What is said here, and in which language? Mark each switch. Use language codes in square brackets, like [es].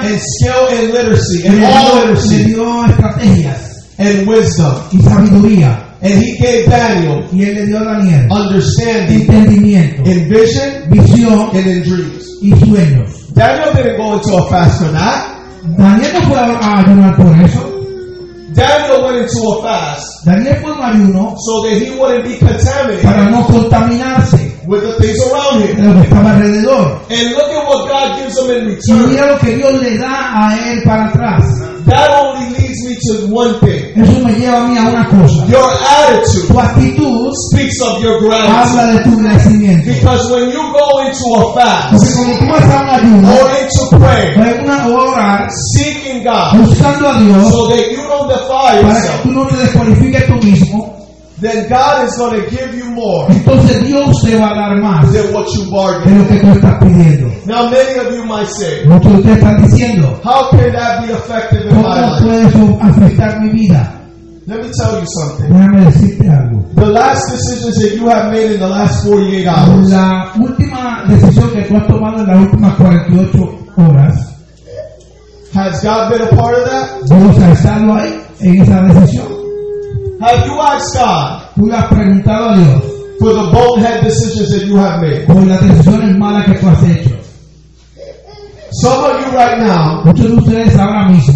[en] and skill and literacy, and all literacy, [es] le dio estrategias, [en] and wisdom, [es] y sabiduría. [en] And he gave Daniel, [es] y él le dio a Daniel [en] understanding, [es] entendimiento, [en] and vision, [es] visión, [en] and in dreams, [es] y sueños. [en] Daniel didn't go into a fast for that. [es] Daniel no fue a ayunar por eso. [en] Daniel went into a fast, [es] Daniel fue un ayuno, [en] so that he wouldn't be contaminated, [es] para no contaminarse, [en] with the things around him, [es] lo que estaba alrededor. [en] And look at what God gives him in return. [es] Y mira lo que Dios le da a él para atrás. [en] That only leads me to one thing. [es] Eso me lleva a mí a una cosa. [en] Your attitude, [es] tu actitud, [en] speaks of your gratitude. [es] Habla de tu agradecimiento. [en] Because when you go into a fast, [es] cuando tú vas a un ayuno, [en] or into prayer, [es] en una hora, [en] seeking God, [es] buscando a Dios, [en] so that you don't defile yourself, [es] para que tú no te descualifiques tú mismo, [en] then God is going to give you more. [es] Entonces Dios te va a dar más [en] than what you bargained. [es] De lo que tú estás pidiendo. [en] Now many of you might say, [es] muchos de ustedes están diciendo, [en] how can that be effective in my life? [es] ¿Cómo puede eso afectar mi vida? [en] Let me tell you something. [es] Déjame decirte algo. [en] The last decisions that you have made in the last 48 hours. [es] La última decisión que tú has tomado en las últimas 48 horas. [en] Has God been a part of that? [es] ¿Dios ha estado ahí en esa decisión? [en] Have you asked God, [es] ¿tú le has preguntado a Dios, [en] for the bonehead decisions that you have made? [es] Por las decisiones malas que tú has hecho. [en] Some of you right now, [es] muchos de ustedes ahora mismo,